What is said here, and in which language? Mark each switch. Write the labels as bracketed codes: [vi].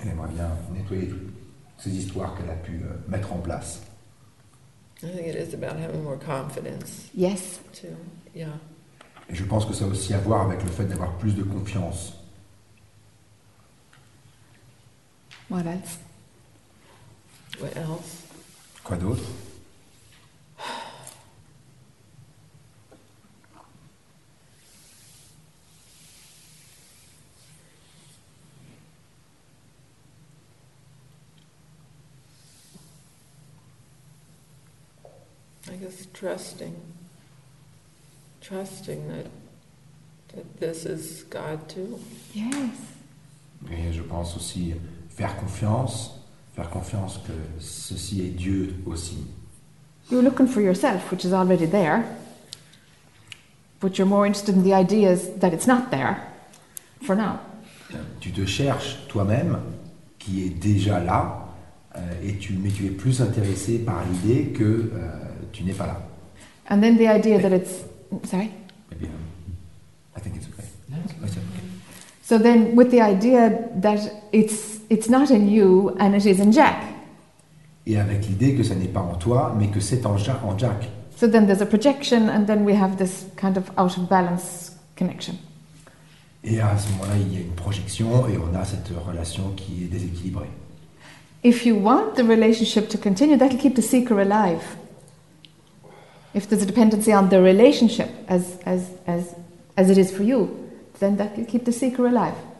[fr] Elle aimerait bien nettoyer ces histoires qu'elle a pu mettre en place. [en] I think it is about having more confidence. Yes. Too. Yeah. [fr] Et je pense que ça a aussi à voir avec le fait d'avoir plus de confiance. [en] What else? What else? [fr] Quoi d'autre? [en] I guess trusting that this is God too. Yes. [fr] Et je pense aussi faire confiance que ceci est Dieu aussi. [en] You're looking for yourself, which is already there, but you're more interested in the ideas that it's not there for now. [fr] Tu te cherches toi-même qui est déjà là et tu es plus intéressé par l'idée que tu n'es pas là. [en] And then the idea that it's sorry. Maybe I think it's okay. No, it's okay. So then with the idea that it's not in you and it is in Jack. [fr] Et avec l'idée que ça n'est pas en toi mais que c'est en Jack. [en] So then there's a projection and then we have this kind of out of balance connection. [fr] Et à ce moment-là, il y a une projection et on a cette relation qui est déséquilibrée. [en] If you want the relationship to continue, that'll keep the seeker alive. If there's a dependency on the relationship as it is for you, then that will keep the seeker alive.